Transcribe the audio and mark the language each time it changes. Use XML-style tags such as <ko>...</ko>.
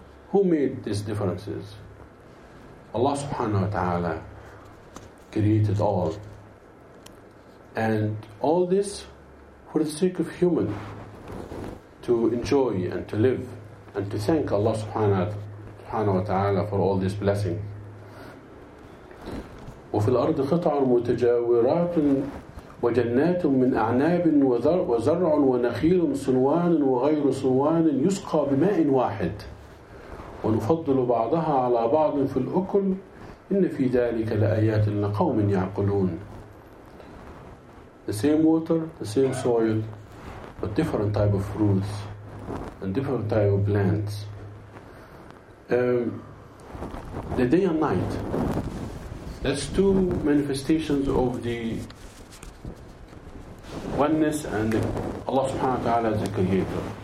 <en>Who made these differences? Allah subhanahu wa ta'ala created all. And all this for the sake of human to enjoy and to live and to thank Allah subhanahu wa ta'ala for all these blessings.</en> <ar>وَفِي الْأَرْضِ قِطَعٌ مُتَجَاوِرَاتٌ وجنات من أعناب وزرع ونخيل صنوان وغير صنوان يسقى بماء واحد ونفضل بعضها على بعض في الأكل إن في ذلك لآيات لقوم يعقلون.</ar> <en>The same water, the same soil, but different type of fruits and different type of plants. The day and night, that's two manifestations of the oneness and Allah subhanahu wa ta'ala as a creator.</en>